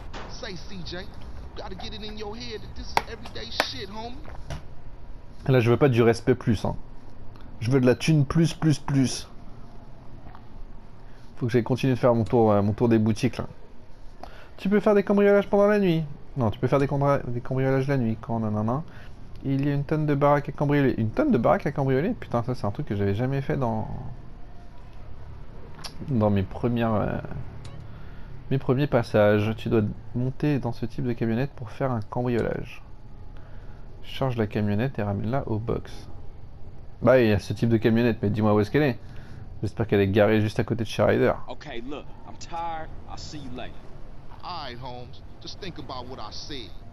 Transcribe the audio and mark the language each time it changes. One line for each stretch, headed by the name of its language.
English: Say CJ, gotta get it in your head that this is everyday shit, homie.
French: Là, je veux pas du respect plus, hein. Je veux de la thune plus. Faut que j'aille continuer de faire mon tour des boutiques, là. Tu peux faire des cambriolages pendant la nuit. Non, tu peux faire des cambriolages la nuit. Quand, nanana. Il y a une tonne de baraques à cambrioler. Une tonne de baraques à cambrioler? Putain, ça, c'est un truc que j'avais jamais fait dans mes premiers passages. Tu dois monter dans ce type de camionnette pour faire un cambriolage. Charge la camionnette et ramène-la au box. Bah il y a ce type de camionnette, mais dis-moi où est-ce qu'elle est. J'espère qu'elle est garée juste à côté de chez Ryder.
English: Ok, look, I'm tired, I'll see you later. Alright, Holmes, just think about what I said.